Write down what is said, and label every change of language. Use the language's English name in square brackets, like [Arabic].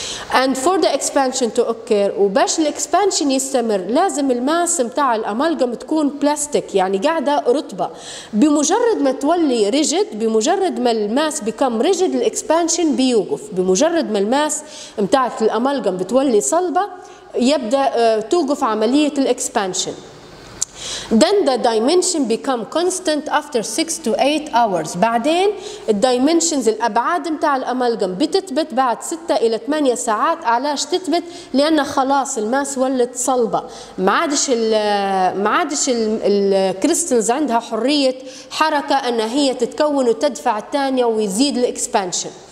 [English] And for the expansion to occur، [Arabic] وباش الإكسبانشن يستمر لازم الماس متاع الأمالجم تكون بلاستيك، يعني قاعدة رطبة. بمجرد ما تولي ريجد، بمجرد ما الماس بيكم ريجد الإكسبانشن بيوقف، بمجرد ما الماس متاع الأمالجم بتولي صلبة يبدأ توقف عملية الإكسبانشن. [English] Then the dimension become constant after 6 to 8 hours. [Arabic] بعدين الدايمنشنز الأبعاد متاع الأمالجم بتثبت بعد 6 إلى 8 ساعات. علاش تثبت؟ لأن خلاص الماس ولت صلبة، معادش الكريستلز عندها حرية حركة أن هي تتكون وتدفع الثانية ويزيد الإكسبانشن.